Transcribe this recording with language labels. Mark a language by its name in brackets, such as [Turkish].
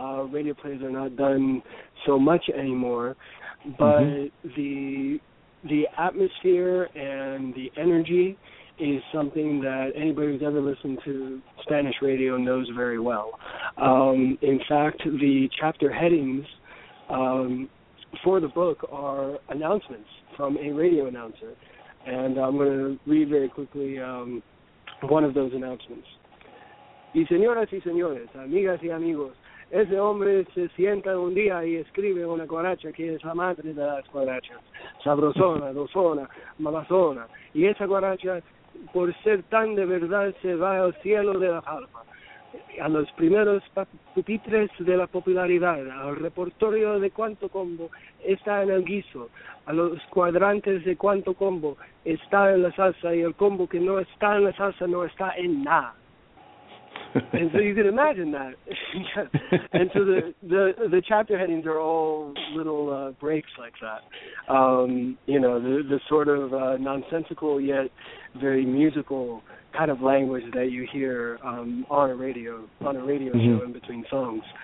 [English] Radio plays are not done so much anymore, but the atmosphere and the energy is something that anybody who's ever listened to Spanish radio knows very well. In fact, the chapter headings for the book are announcements from a radio announcer, and I'm going to read very quickly one of those announcements. [Spanish] Y señoras y señores, amigas y amigos, ese hombre se sienta un día y escribe una guaracha que es la madre de las guarachas, sabrosona, dosona, mamazona, y esa guaracha, por ser tan de verdad, se va al cielo de la palma. A los primeros pupitres de la popularidad, al repertorio de Cuánto Combo está en el guiso, a los cuadrantes de Cuánto Combo está en la salsa, y el combo que no está en la salsa no está en nada. [English] And so you can imagine that. And so the chapter headings are all little breaks like that. You know, the sort of nonsensical yet very musical kind of language that you hear on a radio mm-hmm. show in between songs.